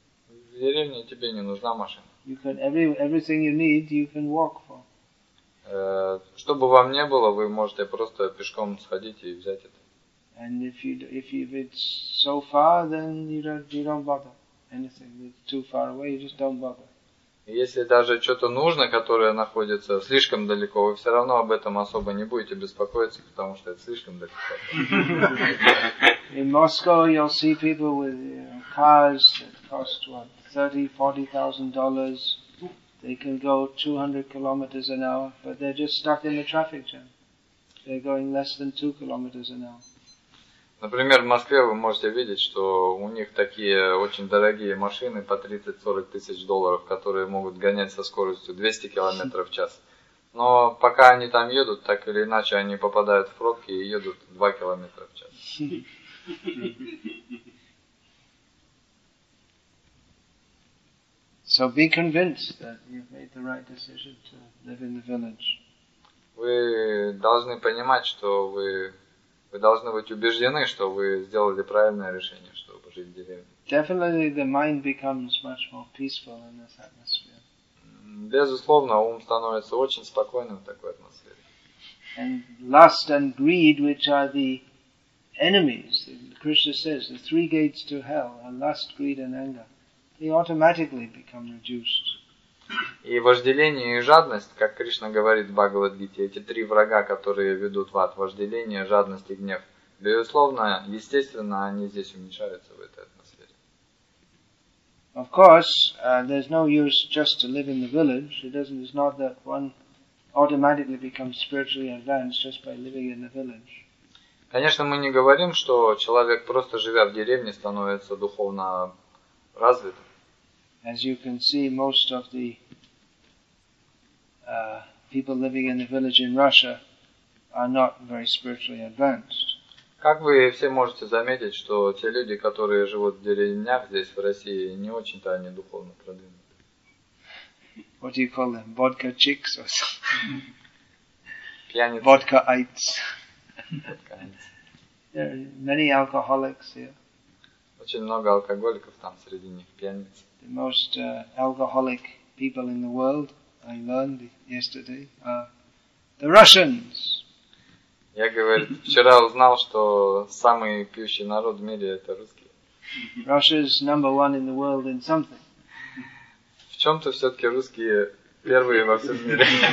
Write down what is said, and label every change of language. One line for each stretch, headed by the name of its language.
Russian: В деревне тебе не нужна машина.
English: You can, everything you need you can walk for.
Russian: Что бы вам ни было, вы можете просто пешком сходить и взять это.
English: And if it's so far, then you don't bother anything. It's too far away. You just don't bother.
Russian: Если даже что-то нужно, которое находится слишком далеко, вы все равно об этом особо не будете беспокоиться, потому что это слишком далеко.
English: In Moscow, you'll see people with cars that cost $30,000-$40,000. They can go 200 kilometers an hour, but they're just stuck in the traffic jam. They're going less than 2 kilometers an hour.
Russian: Например, в Москве вы можете видеть, что у них такие очень дорогие машины по 30-40 тысяч долларов, которые могут гонять со скоростью 200 км в час. Но пока они там едут, так или иначе, они попадают в пробки и едут 2 км в час.
English: So be convinced that you've made the right decision to live in the village.
Russian: Вы должны понимать, что вы должны быть убеждены, что вы сделали правильное решение, чтобы жить в деревне.
English: Definitely the mind becomes much more peaceful in this atmosphere.
Russian: Безусловно, ум становится очень спокойным в такой атмосфере.
English: And lust and greed, which are the enemies, Krishna says, the 3 gates to hell are lust, greed and anger. They automatically become reduced.
Russian: И вожделение и жадность, как Кришна говорит в Бхагавад-гите, эти три врага, которые ведут в ад, вожделение, жадность и гнев, безусловно, естественно, они здесь уменьшаются в этой атмосфере.
English: Of course, there's no use just to live in the village. It's not that one automatically becomes spiritually advanced just by living in the village.
Russian: Конечно, мы не говорим, что человек, просто живя в деревне, становится духовно развитым.
English: As you can see, most of the people living in the village in Russia are not very spiritually advanced.
Russian: Как вы все можете заметить, что те люди, которые живут в деревнях здесь, в России, не очень-то они духовно продвинуты.
English: What do you call them? Vodka chicks or something?
Russian: Пьяницы.
English: Vodka-ites. There are many alcoholics here.
Russian: Очень много алкоголиков там среди них, пьяниц.
English: The most alcoholic people in the world, I learned yesterday, are the Russians.
Russian: Я говорю, вчера узнал, что самый пьющий народ в мире это русские.
English: Russia's number one in the world in something.
Russian: В чем-то все-таки русские первые во всем мире.